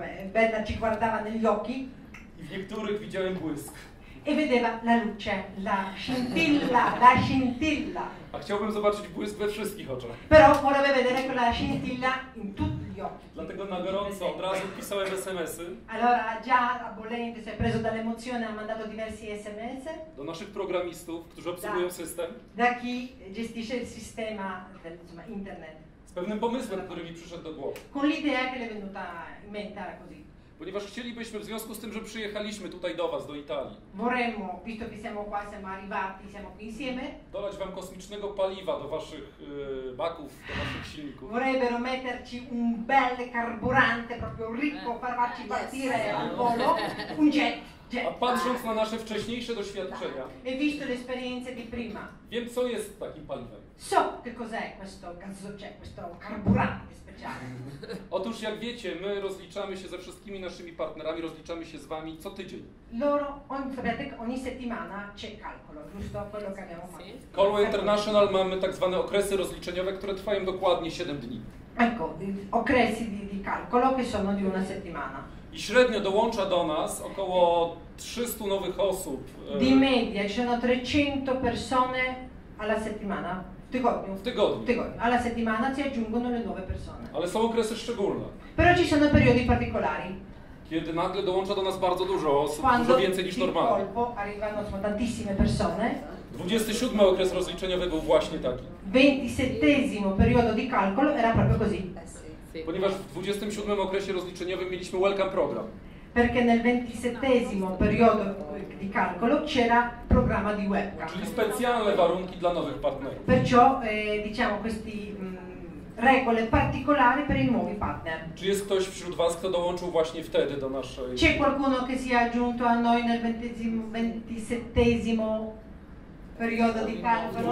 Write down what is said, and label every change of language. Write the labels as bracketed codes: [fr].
[it] Bella ci guardava negli occhi. [pl] I w niektórych widziałem błysk. [it] E vedeva la luce, la scintilla, la scintilla. [pl] A chciałbym zobaczyć błysk we wszystkich oczach. [it] Però vorrebbe vedere quella scintilla in tutti gli occhi. [pl] Dlatego na gorąco od razu pisałem SMS-y. [it] Allora già a bollente sei preso dall'emozione, ha mandato diversi SMS. [pl] Do naszych programistów, którzy obsługują system. [it] Da chi gestisce il sistema, insomma, internet. [pl] Z pewnym pomysłem, który mi przyszedł do głowy. [it] Con l'idea che le è venuta in mente così. [pl] Ponieważ chcielibyśmy, w związku z tym, że przyjechaliśmy tutaj do was, do Italii. [it] Vorremmo, visto che siamo qua, siamo arrivati, siamo qui insieme. [pl] Dolać wam kosmicznego paliwa do waszych baków, do waszych silników. [it] Vorrebbero metterci un bel carburante, proprio ricco, farci partire al volo, un jet. [pl] A patrząc na nasze wcześniejsze doświadczenia. [it] E visto le esperienze di prima. [pl] Wiem, co jest takim paliwem. [it] So che cos'è questo gazzo, cioè questo carburante speciale. [pl] Otóż jak wiecie, my rozliczamy się ze wszystkimi naszymi partnerami, rozliczamy się z wami co tydzień. [it] Loro ogni settimana c'è calcolo, giusto? Quello che abbiamo fatto. [pl] Colway International mamy tak zwane okresy rozliczeniowe, które trwają dokładnie 7 dni. [it] Ecco, [pl] okresy [it] di calcolo che sono di una settimana. [pl] I średnio dołącza do nas około 300 nowych osób. [it] Di media, ci sono 300 persone alla settimana. [pl] W tygodniu. [it] Alla settimana ci aggiungono le nuove persone. [pl] Ale są okresy szczególne. [it] Però ci sono periodi particolari. [pl] Kiedy nagle dołącza do nas bardzo dużo osób, [it] quando [pl] dużo więcej niż normalnie. [it] Quando di colpo arrivano tantissime persone. [pl] 27 okres rozliczeniowy był właśnie taki. [it] 27 periodo di calcolo era proprio così. [pl] Ponieważ w 27 okresie rozliczeniowym mieliśmy welcome program. [it] Perché nel 27 periodo di calcolo c'era programma di welcome. [pl] Czyli specjalne warunki dla nowych partnerów. [it] Perciò diciamo questi regole particolari per i nuovi partner. [pl] Czy jest ktoś wśród was, kto dołączył właśnie wtedy do naszej... [it] C'è qualcuno che si è aggiunto a noi nel 27 periodo di calcolo?